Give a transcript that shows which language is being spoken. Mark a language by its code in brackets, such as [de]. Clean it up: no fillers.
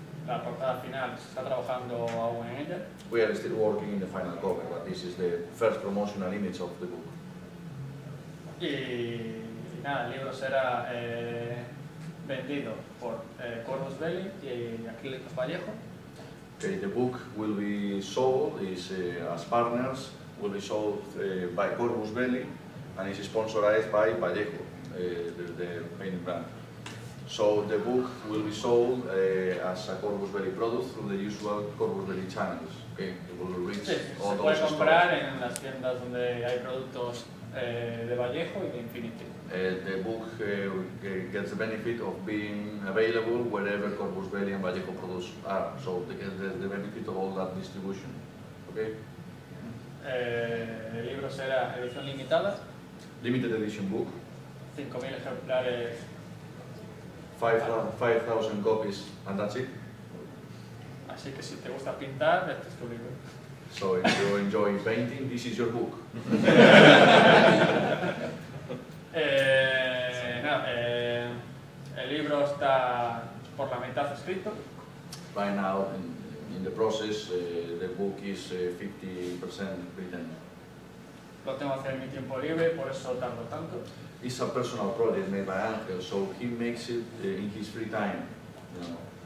[es] La portada final, ¿se está trabajando aún en ella? [en] We are still working in the final cover, but this is the first promotional image of the book. [es] Y nada, el libro será vendido por Corpus Belli y Aquiles Vallejo. [en] Okay, the book will be sold as partners, will be sold by Corpus Belli, and is sponsored by Vallejo, the painting brand. So the book will be sold as a Corpus Belli product through the usual Corpus Belli channels. Okay, it will reach [es] sí, [en] all those [es] puede comprar [en] stores. [es] En las tiendas donde hay productos de Vallejo y de Infinity. [en] The book gets the benefit of being available wherever Corpus Belli and Vallejo products are. So the benefit of all that distribution. Okay. [es] El libro será edición limitada. [en] Limited edition book. [es] 5,000 ejemplares. [en] 5,000 copies, and that's it. [es] Así que si te gusta pintar, este es tu libro. [en] So if you enjoy painting, this is your book. [es] El libro está por la mitad escrito. [en] Right now, in the process, the book is 50% written. [es] Lo tengo que hacer en mi tiempo libre, por eso tardo tanto. [en] It's a personal project made by Ángel, so he makes it in his free time, you know.